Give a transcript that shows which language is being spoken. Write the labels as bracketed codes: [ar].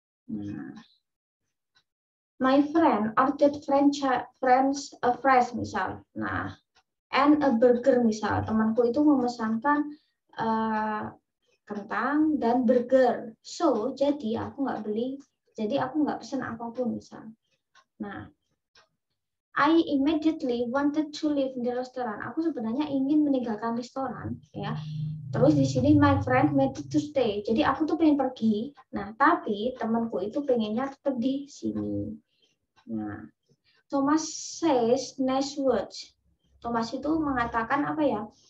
[en] Nah, my friend ordered french fries misal. [id] Nah, [en] and a burger [id] misal. Temanku itu memesankan kentang dan burger. So, jadi aku nggak beli. Jadi aku nggak pesan apapun misal. [en] Nah, I immediately wanted to leave the restaurant. [id] Aku sebenarnya ingin meninggalkan restoran, ya. Terus di sini [en] my friend made to stay. [id] Jadi aku tuh pengen pergi. Nah, tapi temanku itu pengennya tetap di sini. [en] Nah, Thomas says nice words. [id] Thomas itu mengatakan apa ya?